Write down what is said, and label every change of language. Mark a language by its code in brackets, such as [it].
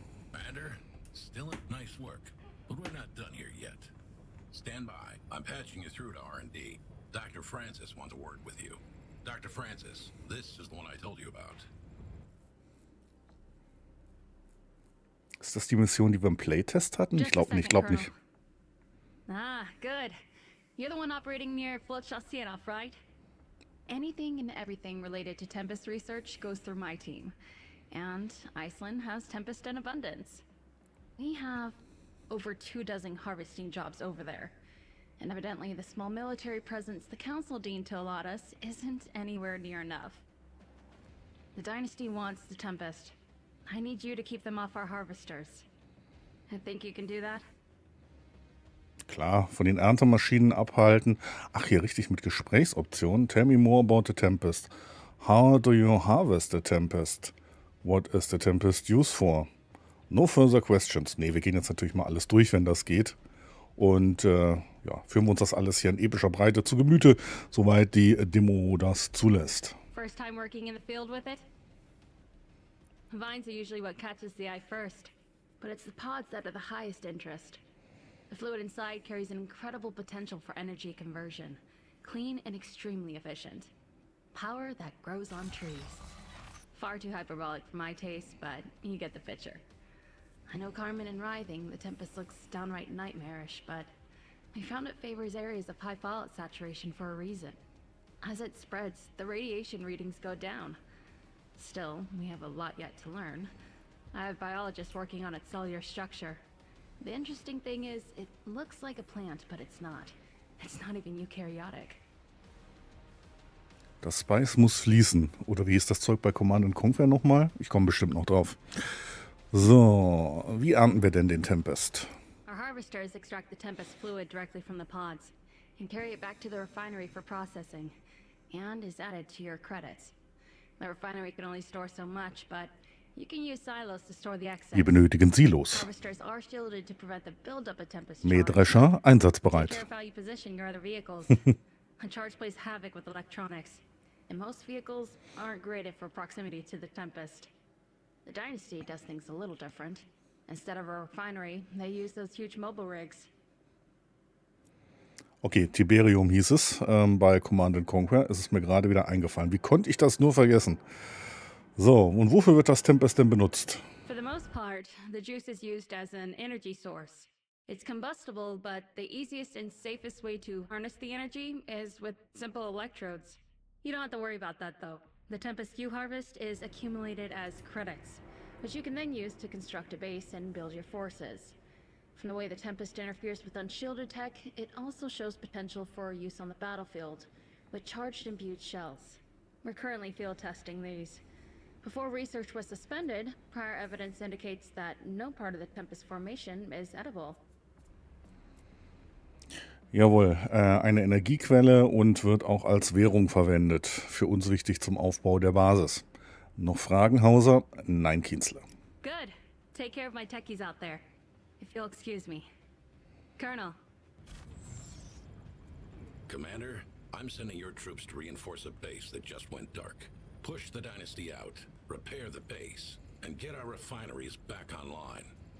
[en] Commander, still a nice work, but we're not done here yet. Stand by. I'm patching you through to R&D. Dr. Francis wants a word with you. Dr. Francis, this is the one I told you about. [de] Ist das die Mission, die wir im Playtest hatten? Ich glaube nicht. [en] Ah, good. You're the one operating near Flotschassienhof, right? Anything and everything related to Tempest Research goes through my team. And Iceland has Tempest in abundance. We have over 24 harvesting jobs over there. And evidently the small military presence the Council deemed to allot us isn't anywhere near enough. The Dynasty wants the Tempest. I need you to keep them off our harvesters. I think you can do that. [de] Klar, von den Erntemaschinen abhalten. Ach, hier richtig mit Gesprächsoptionen. [en] Tell me more about the Tempest. How do you harvest the Tempest? What is the Tempest used for? No further questions. [de] Nee, wir gehen jetzt natürlich mal alles durch, wenn das geht. Und führen wir uns das alles hier in epischer Breite zu Gemüte, soweit die Demo das zulässt. [en] First time working in the field with it? Vines are usually what catches the eye first, but it's the pods that are the highest interest. The fluid inside carries an incredible potential for energy conversion. Clean and extremely efficient. Power that grows on trees. Far too hyperbolic for my taste, but you get the picture. I know Carmen and Writhing, the Tempest looks downright nightmarish, but we found it favors areas of high fallout saturation for a reason. As it spreads, the radiation readings go down. Still, we have a lot yet to learn. I have biologists working on its cellular structure. The interesting thing is, it looks like a plant, but it's not. It's not even eukaryotic. [de] Das Spice muss fließen. Oder wie ist das Zeug bei Command & Conquer nochmal? Ich komme bestimmt noch drauf. So, wie ernten wir denn den Tempest? [en] Our harvesters extract the Tempest fluid directly from the pods and carry it back to the refinery for processing and is added to your credits. The refinery can only store so much, but you can use silos to store the excess. [de] Wir benötigen Silos. [en] Harvesters are shielded to prevent the buildup of Tempest. [de] Mähdrescher einsatzbereit. [en] A charge plays havoc with electronics, and most vehicles aren't graded for proximity to the Tempest. The Dynasty does things a little different. Instead of a refinery, they use those huge mobile rigs. [de] Okay, Tiberium hieß es bei Command & Conquer. Es ist mir gerade wieder eingefallen. Wie konnte ich das nur vergessen? So, und wofür wird das Tempest denn benutzt? [en] For the most part, the juice is used as an energy source. It's combustible, but the easiest and safest way to harness the energy is with simple electrodes. You don't have to worry about that, though. The Tempest you harvest is accumulated as credits, which you can then use to construct a base and build your forces. From the way the Tempest interferes with unshielded tech, it also shows potential for use on the battlefield, with charged imbued shells. We're currently field testing these. Before research was suspended, prior evidence indicates that no part of the Tempest formation is edible. [de] Jawohl, eine Energiequelle und wird auch als Währung verwendet. Für uns wichtig zum Aufbau der Basis. Noch Fragen, Hauser? Nein, Kienzler. [en] Good. Take care of my techies out there. If you'll excuse me. Colonel. Commander, I'm sending your troops to reinforce a base that just went dark. Push the Dynasty out, repair the base, and get our refineries back online.